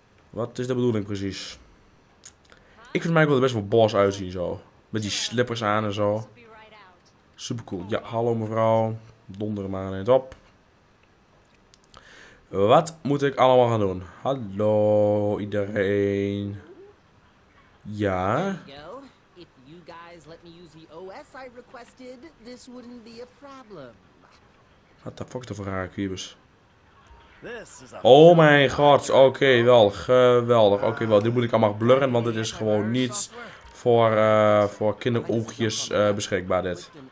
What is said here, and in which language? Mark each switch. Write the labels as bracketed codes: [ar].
[nl] Wat is de bedoeling precies? Ik vind Michael er best wel boss uitzien zo. Met die slippers aan en zo. Super cool. Ja, hallo mevrouw. Donder maar aan het op. Wat moet ik allemaal gaan doen? Hallo iedereen. Ja. [en] If you guys let me use the OS I requested, this wouldn't be a problem. What the fuck [nl] is dat voor rare kubus? Oh mijn god, oké, wel, geweldig. Oké, wel, dit moet ik allemaal blurren, want het is gewoon niet voor kinderoogjes beschikbaar, dit.